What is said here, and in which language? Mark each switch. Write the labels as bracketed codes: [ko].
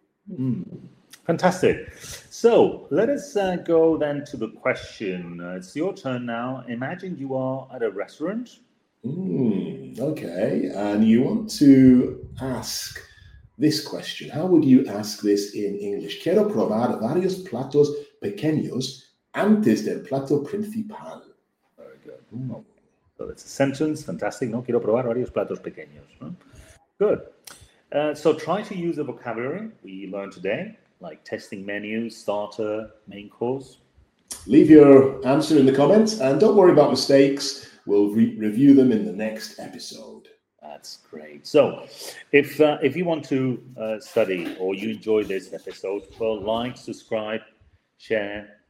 [en] Mm. Fantastic. So let us go then to the question. It's your turn now. Imagine you are at a restaurant. Okay, and you want to ask this question. How would you ask this in English? [es] Quiero probar varios platos pequeños antes del plato principal. [en] Very good. So that's a sentence. Fantastic, no? [es] Quiero probar varios platos pequeños. [en] Good. So try to use the vocabulary we learned today, like testing menus, starter, main course. Leave your answer in the comments, and don't worry about mistakes. We'll review them in the next episode. That's great. So if you want to study or you enjoy this episode, well, like, subscribe, share.